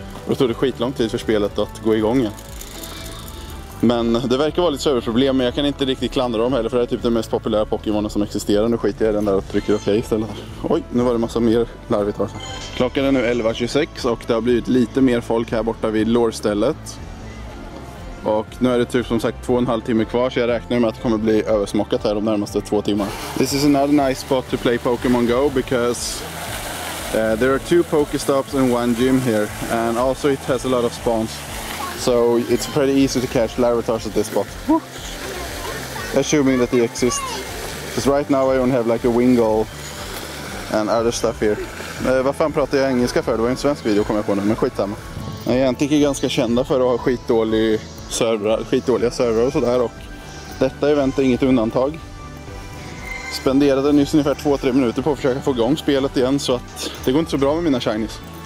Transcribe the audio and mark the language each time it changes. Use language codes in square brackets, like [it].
[sv] Och då tog det skitlång tid för spelet att gå igång igen. Men det verkar vara lite serverproblem, men jag kan inte riktigt klandra dem heller. För det är typ den mest populära Pokémonen som existerar. Nu skiter jag i den där och trycker OK istället. Oj, nu var det massa mer larvitar. Klockan är nu 11.26 och det har blivit lite mer folk här borta vid lore-stället. Och nu är det typ som sagt 2,5 timmar kvar, så jag räknar med att det kommer bli översmockat här de närmaste 2 timmar. [en] This is another nice spot to play Pokémon Go, because there are 2 Pokéstops and 1 gym here. And also it has a lot of spawns. So it's pretty easy to catch Larvitars at this spot. Woo. Assuming that they exist. Because right now I only have like a wingull and other stuff here. [sv] Vad fan pratar jag engelska för? Det var en svensk video kom jag på nu, men skitsamma. Niantic är ganska kända för att ha skitdåliga servrar och sådär, och detta event är inget undantag. Spenderade nyss ungefär 2-3 minuter på att försöka få igång spelet igen, så att det går inte så bra med mina shinies.